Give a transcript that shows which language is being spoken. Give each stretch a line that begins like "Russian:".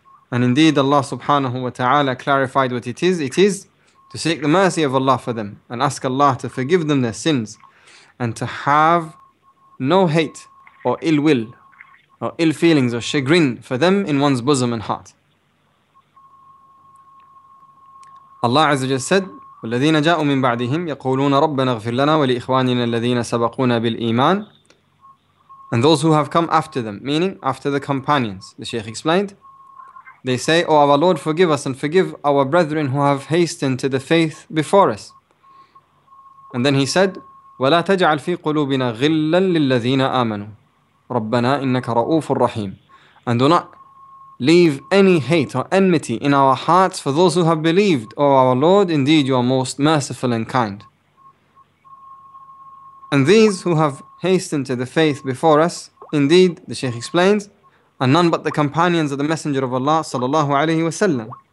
English: And indeed Allah subhanahu wa ta'ala clarified what it is. It is to seek the mercy of Allah for them and ask Allah to forgive them their sins, and to have no hate or ill will or ill feelings or chagrin for them in one's bosom and heart. Allah Azza wa Jalla said,
Arabic: وَالَّذِينَ جَاءُوا مِنْ بَعْدِهِمْ يَقُولُونَ رَبَّنَا اغْفِرْ لَنَا وَلِإِخْوَانِنَا الَّذِينَ سَبَقُونَا بِالْإِيمَانِ.
English: And those who have come after them, meaning after the companions, the Shaykh explained, they say, O our Lord, forgive us and forgive our brethren who have hastened to the faith before us. And then he said,
Arabic: وَلَا تَجْعَلْ فِي قُلُوبِنَا غِلًّا لِلَّذِينَ آمَنُوا رَبَّنَا إِنَّكَ رَؤُوفٌ رَحِيمٌ.
English: And do not leave any hate or enmity in our hearts for those who have believed, O our Lord, indeed you are most merciful and kind. And these who have hastened to the faith before us, indeed, the Shaykh explains, are none but the companions of the Messenger of Allah sallallahu alayhi wa sallam.